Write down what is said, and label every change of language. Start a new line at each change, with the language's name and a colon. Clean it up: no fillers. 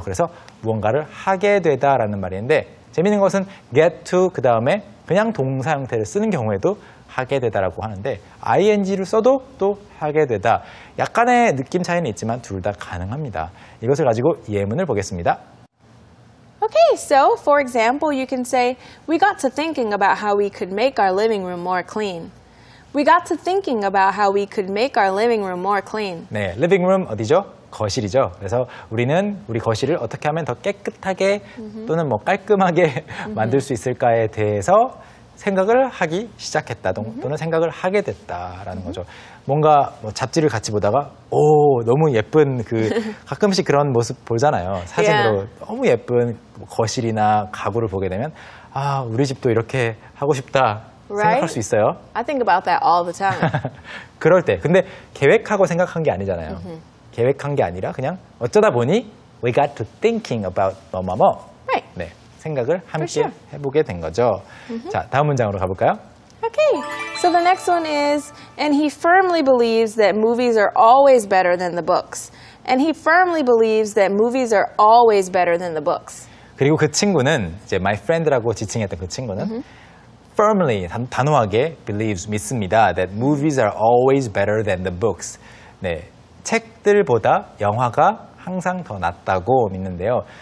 Korean: 그래서 무언가를 하게 되다라는 말인데 재미있는 것은 get to 그 다음에 그냥 동사 형태를 쓰는 경우에도 하게 되다라고 하는데 ing를 써도 또 하게 되다. 약간의 느낌 차이는 있지만 둘 다 가능합니다. 이것을 가지고 예문을 보겠습니다.
English: Okay, so for example, you can say we got to thinking about how we could make our living room more clean. We got to thinking about how we could make our living room more clean.
Korean: 네, living room 어디죠? 거실이죠. 그래서 우리는 우리 거실을 어떻게 하면 더 깨끗하게 또는 뭐 깔끔하게 만들 수 있을까에 대해서 생각을 하기 시작했다 또는 생각을 하게 됐다라는 거죠. 뭔가 뭐 잡지를 같이 보다가 오 너무 예쁜 그 가끔씩 그런 모습 보잖아요. 사진으로 너무 예쁜 거실이나 가구를 보게 되면 아 우리 집도 이렇게 하고 싶다.
English: Right?
Korean: 생각할 수 있어요.
English: I think about that all the time.
Korean: 그럴 때 근데 계획하고 생각한 게 아니잖아요. 계획한 게 아니라 그냥 어쩌다 보니
English: we got to thinking about
Korean: 뭐뭐뭐
English: right.
Korean: 네, 생각을 함께 sure. 해보게 된 거죠. 자, 다음 문장으로 가볼까요?
English: Okay, so the next one is and he firmly believes that movies are always better than the books. And he firmly believes that movies are always better than the books.
Korean: 그리고 그 친구는 이제
English: my friend
Korean: 라고 지칭했던 그 친구는 firmly, 단호하게 believes, 믿습니다.
English: that movies are always better than the books.
Korean: 네. 책들보다 영화가 항상 더 낫다고 믿는데요.